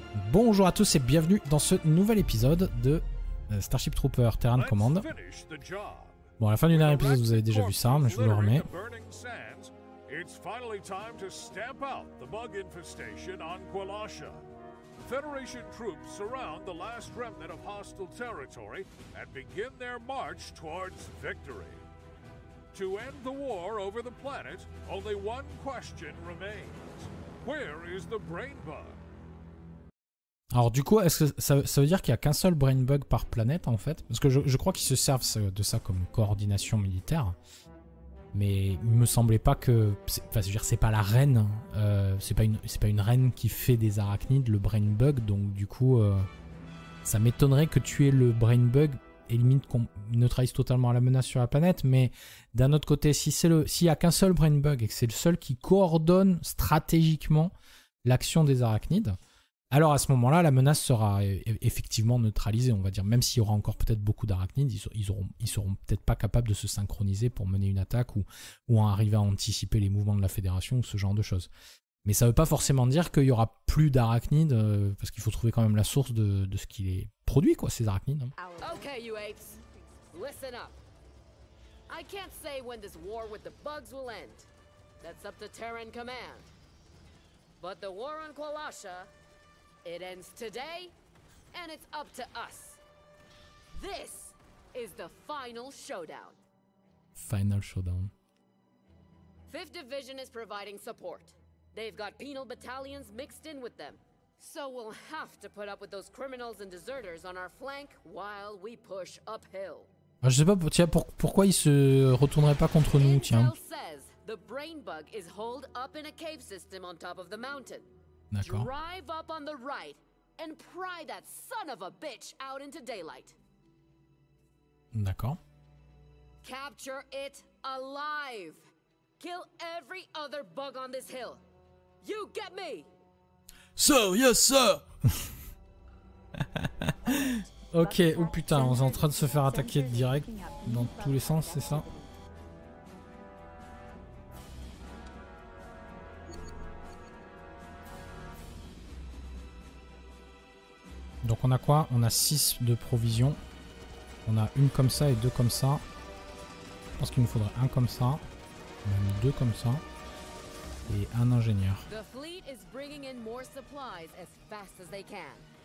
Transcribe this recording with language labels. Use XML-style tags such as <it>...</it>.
<fr>Bonjour à tous et bienvenue dans ce nouvel épisode de Starship Trooper Terran Command. Bon, à la fin du dernier épisode, vous avez déjà vu ça, mais je vous le remets.</fr> <en>It's finally time to stamp out the bug infestation on Quilasha. Federation troops surround the last remnant of hostile territory and begin their march towards victory. To end the war over the planet, only one question remains. Where is the brain bug?</en> <fr>Alors du coup, est-ce que ça veut dire qu'il n'y a qu'un seul brain bug par planète en fait? Parce que je crois qu'ils se servent de ça comme coordination militaire. Mais il me semblait pas que... Enfin, je veux dire, c'est pas la reine. C'est pas une reine qui fait des arachnides, le brain bug. Donc, du coup, ça m'étonnerait que tuer le brain bug élimine qu'on neutralise totalement la menace sur la planète. Mais d'un autre côté, s'il y a qu'un seul brain bug et que c'est le seul qui coordonne stratégiquement l'action des arachnides, alors à ce moment-là, la menace sera effectivement neutralisée, on va dire. Même s'il y aura encore peut-être beaucoup d'arachnides, ils seront peut-être pas capables de se synchroniser pour mener une attaque ou en arriver à anticiper les mouvements de la Fédération ou ce genre de choses. Mais ça ne veut pas forcément dire qu'il n'y aura plus d'arachnides, parce qu'il faut trouver quand même la source de ce qui les produit, quoi, ces arachnides.</fr> <en>Ok, you apes, listen up. I can't say when this war with the bugs will end. That's up to Terran Command. But the war on Quilasha... It ends today, and it's up to us. This is the final showdown. Final showdown. Fifth Division is providing support. They've got penal battalions mixed in with them. So we'll have to put up with those criminals and deserters on our flank while we push uphill.</en> <fr>Je sais pas, tiens, pourquoi ils se retourneraient pas contre nous, tiens.</fr> <en>Intel says the brain bug is holed up in a cave system on top of the mountain.</en> <fr>D'accord.</fr> <en>Drive up on the right and pry that son of a bitch out into daylight.</en> <fr>D'accord.</fr> <en>Capture it alive. Kill every other bug on this hill. You get me? Sir, yes sir.</en> <fr>Ok, oh putain, on est en train de se faire attaquer direct dans tous les sens, c'est ça? Donc on a quoi? On a 6 de provisions. On a une comme ça et deux comme ça. Je pense qu'il nous faudrait un comme ça. Même deux comme ça. Et un ingénieur.</fr> <en>The fleet is bringing in more supplies as fast as they can.</en>